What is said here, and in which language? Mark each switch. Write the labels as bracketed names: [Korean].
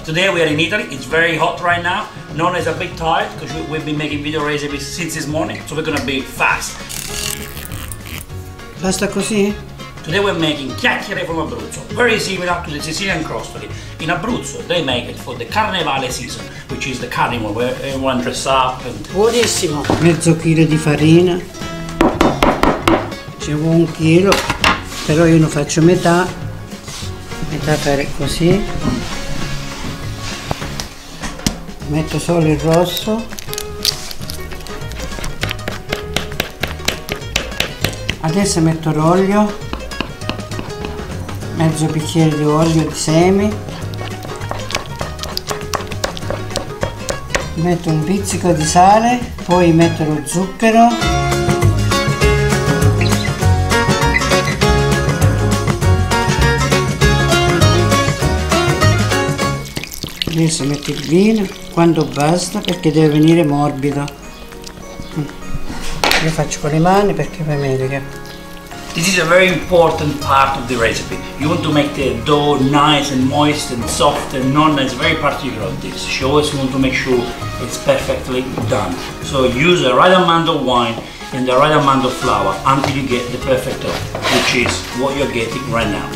[English] Today we are in Italy, it's very hot right now. Nonna is a bit tired because we've been making video recipes since this morning, so we're gonna be fast. [Italian] Basta così? [English] Today we're making chiacchiere from Abruzzo, very similar to the Sicilian crostoli. In Abruzzo, they make it for the Carnevale season, which is the carnival where everyone dress up and... [Italian] Buonissimo! Mezzo chilo di farina. Ci vuole un chilo, però io ne faccio metà. Metà fare così. Metto solo il rosso. Adesso metto l'olio. Mezzo bicchiere di olio di semi. Metto un pizzico di sale, poi metto lo zucchero. Adesso metto il vino, quando basta, perché deve venire morbido. Io faccio con le mani perché va meglio. [English] This is a very important part of the recipe. You want to make the dough nice and moist and soft, and Nonna is very particular of this. She always wants to make sure it's perfectly done. So use the right amount of wine and the right amount of flour until you get the perfect dough, which is what you're getting right now.